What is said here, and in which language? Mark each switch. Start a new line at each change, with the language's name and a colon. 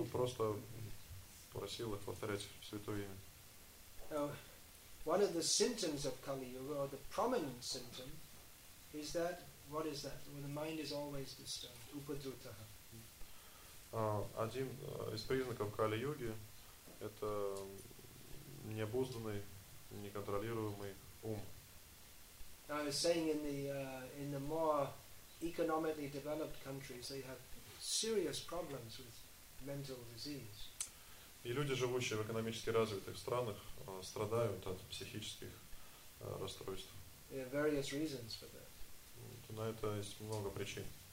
Russian: он просто просил их повторять святое имя.
English: One of the symptoms of Kali Yuga, or the prominent symptom, is that, what is that? When the mind is always disturbed, upadrutaha.
Russian: Один из признаков Kali Yuga – это необузданный, неконтролируемый ум.
English: I was saying in the more economically developed countries, they have serious problems with mental disease.
Russian: И люди, живущие в экономически развитых странах, страдают от психических расстройств.
English: There are various reasons for that.
Russian: На это есть много причин.